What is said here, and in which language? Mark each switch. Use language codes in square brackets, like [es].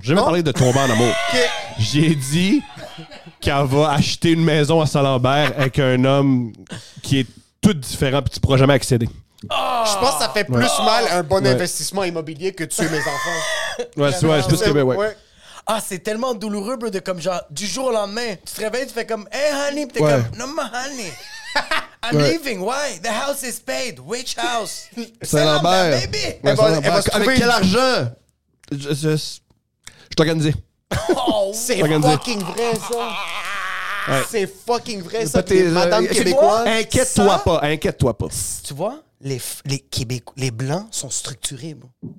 [fr] J'ai jamais parlé de tomber en amour. J'ai dit qu'elle va acheter une maison à Saint-Lambert avec un homme qui est tout différent et tu pourras jamais accéder. Je pense que ça fait plus mal un bon investissement immobilier que tuer mes enfants. Ouais, c'est vrai, je pense que ouais. Ah, c'est tellement douloureux, bro, de comme genre, du jour au lendemain, tu te réveilles, tu fais comme, [en] hey honey, [fr] pis t'es ouais. [en] comme, no my honey, I'm ouais. leaving, why? The house is paid, which house? [fr] Saint-Lambert, [en] baby! [fr] Ouais, elle va avec quel argent? Je t'organise. Oh, c'est t'organise. Fucking vrai, ça. Ouais. C'est fucking vrai, ça. Madame québécoise. Inquiète-toi pas. Tu vois, les Québécois, les Blancs sont structurés, bro.